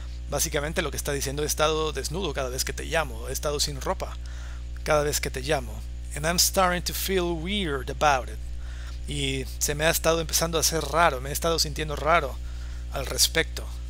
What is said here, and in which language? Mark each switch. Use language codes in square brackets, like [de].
[es] Básicamente lo que está diciendo, he estado desnudo cada vez que te llamo, he estado sin ropa cada vez que te llamo. [en] And I'm starting to feel weird about it. [es] Y se me ha estado empezando a hacer raro, me he estado sintiendo raro al respecto.